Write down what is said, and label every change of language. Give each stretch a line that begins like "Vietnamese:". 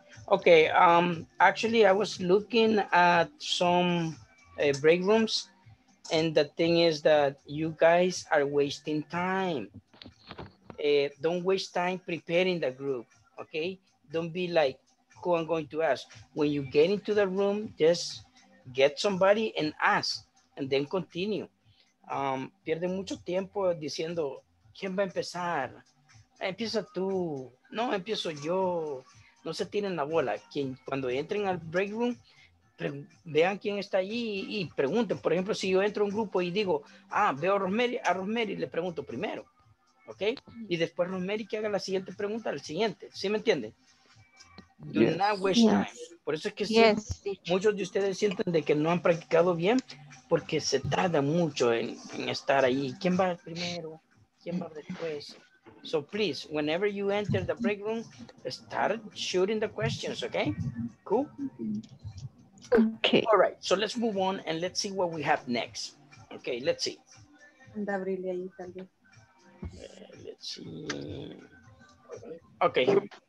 English: Okay, actually, I was looking at some break rooms, and the thing is that you guys are wasting time. Don't waste time preparing the group, okay? Don't be like, who I'm going to ask. When you get into the room, just get somebody and ask, and then continue.
Spanish: Pierde mucho tiempo diciendo, ¿quién va a empezar? Empieza tú. No, empiezo yo. No se tiren la bola. Quien, cuando entren al break room, vean quién está allí y pregunten. Por ejemplo, si yo entro a un grupo y digo, ah, veo a Rosemary, le pregunto primero. ¿Ok? Y después Rosemary que haga la siguiente pregunta al siguiente. ¿Sí me entienden?
English: Do yes. not waste yes. time.
Spanish: Por eso es que yes. si, muchos de ustedes sienten de que no han practicado bien porque se tarda mucho en estar ahí. ¿Quién va primero? ¿Quién va después?
English: So please, whenever you enter the break room, start shooting the questions, okay? Cool? Okay. All right, so let's move on and let's see what we have next. Okay, let's see. Let's see. Okay.